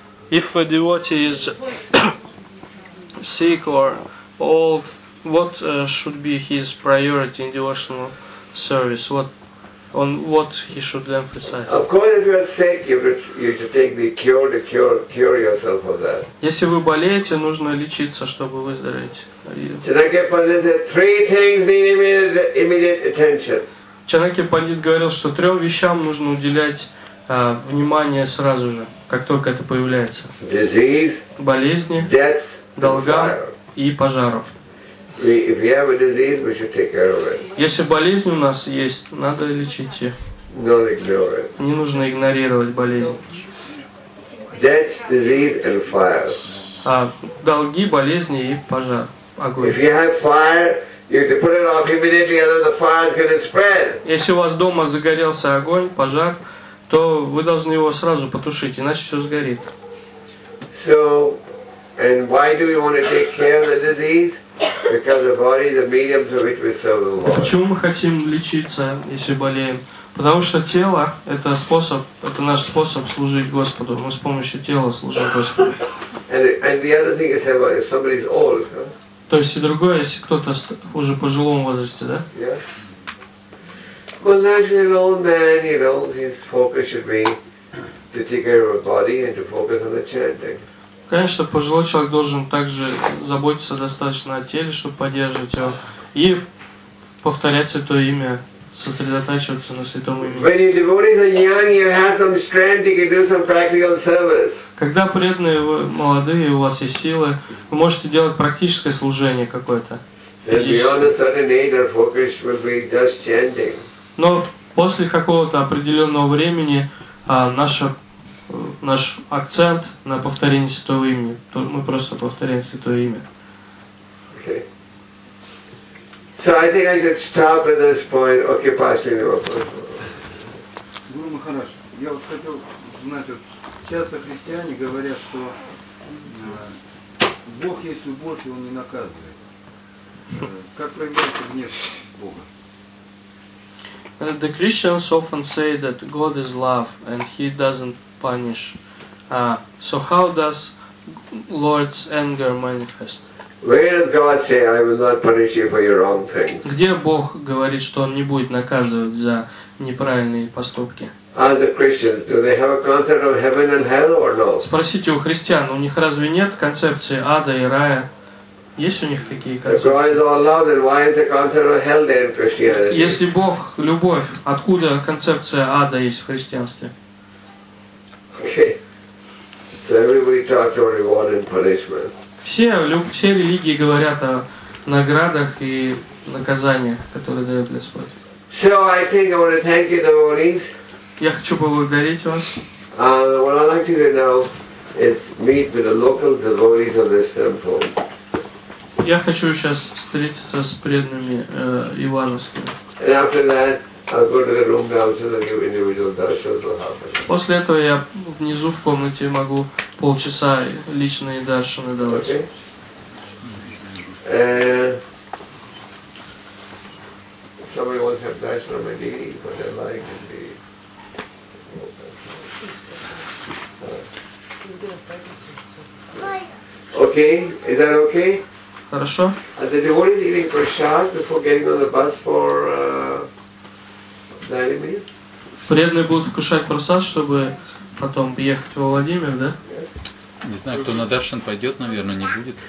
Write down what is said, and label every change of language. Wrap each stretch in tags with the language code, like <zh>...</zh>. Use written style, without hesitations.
<en>If a devotee is sick or old, what should be his priority in devotional service? What he should emphasize? Of course, if you are sick, you should take the cure to cure yourself of that.</en> <ru>Если вы болеете, нужно лечиться, чтобы выздороветь.</ru> <en>Chanakya Pandit said three things need immediate attention.</en> <ru>Чанакья Пандит говорил, что трем вещам нужно уделять внимание сразу же, как только это появляется.</ru> <en>Disease,</en> <ru>болезни,</ru> <en>death,</en> <ru>долга и пожаров. Если болезнь у нас есть, надо лечить ее. Не нужно игнорировать болезнь.</ru> <en>Death, disease, and fire.</en> <ru>Долги, болезни и пожар. Огонь.</ru> <en>If you have fire, you have to put it off immediately, otherwise the fire is going to spread.</en> <ru>Если у вас дома загорелся огонь, пожар, то вы должны его сразу потушить, иначе все сгорит.</ru> <en>So, and why do we want to take care of the disease? Because the body is the medium through which we serve the Lord.</en> <ru>Почему мы хотим лечиться, если болеем? Потому что тело – это способ, это наш способ служить Господу. Мы с помощью тела служим Господу.</ru> <en>And the other thing is, if somebody is old. Huh?</en> <ru>То есть и другое, если кто-то уже в пожилом возрасте, да?</ru> <en>Yes. Well, naturally, an old man, you know, his focus should be to take care of his body and to focus on the chanting.</en> <ru>Конечно, пожилой человек должен также заботиться достаточно о теле, чтобы поддерживать его, и повторять святое имя, сосредотачиваться на святом имени.</ru> <en>When your devotees are young, you have some strength, you can do some practical service.</en> <ru>Когда преданные вы молодые, у вас есть силы, вы можете делать практическое служение какое-то.</ru> <en>Beyond a certain age, our focus will be just chanting.</en> <ru>Но после какого-то определенного времени наш акцент на повторение святого имени. Мы просто повторяем святое имя.</ru> <en>Okay. So I think I should stop at this point. Okay, Pastor.</en> <ru>Гуру Махарадж, я вот хотел знать, вот часто христиане говорят, что Бог есть любовь, и Он не наказывает. Как проявляется внешность Бога?</ru> <en>The Christians often say that God is love and He doesn't punish. So how does Lord's anger manifest? Where does God say, I will not punish you for your wrong things?</en> <ru>Где Бог говорит, что Он не будет наказывать за неправильные поступки?</ru> <en>Are the Christians, do they have a concept of heaven and hell or no?</en> <ru>Спросите у христиан, у них разве нет концепции ада и рая? Есть у них такие концепции?</ru> <en>If God is all love, then why is the concept of hell there in Christianity?</en> <ru>Если Бог – любовь, откуда концепция ада есть в христианстве?</ru> <en>Okay. So everybody talks about reward and punishment.</en> <ru>Все религии говорят о наградах и наказаниях, которые дает Господь.</ru> <en>So I think I want to thank you, the devotees.</en> <ru>Я хочу поблагодарить вас.</ru> <en>What I'd like you to know is meet with the local devotees of this temple.</en> <ru>Я хочу сейчас встретиться с преданными Ивановскими.</ru> <en>And after that, I'll go to the room downstairs and give individual darshans will happen.</en> <ru>После этого я внизу в комнате могу полчаса личные даршаны давать.</ru> <en>Okay. Somebody wants to have darshan of my deity, but I like it to be. Okay, is that okay?</en> <ru>Хорошо.</ru> <en>Are the devotees eating prasad before getting on the bus for</en> <ru>Преданные будут вкушать просад, чтобы потом ехать во Владимир, да? Не знаю, кто на даршан пойдет, наверное, не будет.</ru>